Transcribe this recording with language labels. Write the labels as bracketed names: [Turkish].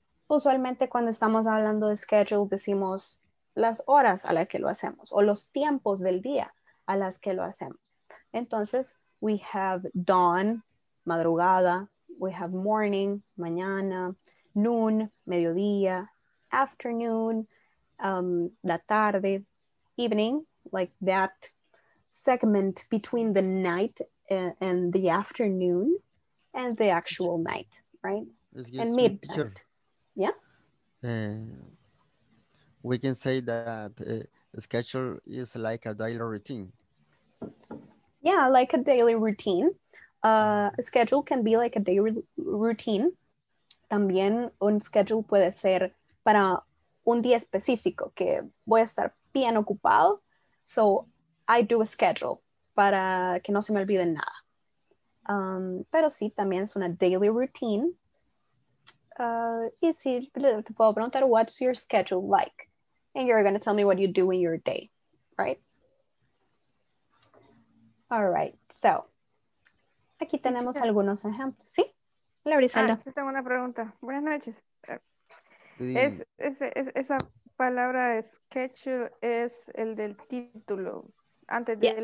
[Spanish] Usualmente cuando estamos hablando de schedule, decimos las horas a las que lo hacemos, o los tiempos del día a las que lo hacemos. [English] Entonces, we have dawn, madrugada, we have morning, mañana, noon, mediodía, afternoon, la tarde, evening, like that segment between the night and the afternoon and the actual night, right? Excuse and midnight. Teacher. Yeah. We can say that the schedule is like a daily routine. Yeah, like a daily routine. Schedule can be like a daily routine. [Spanish] También un schedule puede ser para un día específico que voy a estar bien ocupado. [English] So I do a schedule [Spanish] para que no se me olvide nada. Pero sí, también es una daily routine. Y si te puedo preguntar, [English] what's your schedule like? And you're going to tell me what you do in your day, right? All right, so [Spanish] aquí tenemos algunos ejemplos, ¿sí? La Brisalda. Ah, yo tengo una pregunta. Buenas noches. Esa palabra schedule es el del título, antes de yes.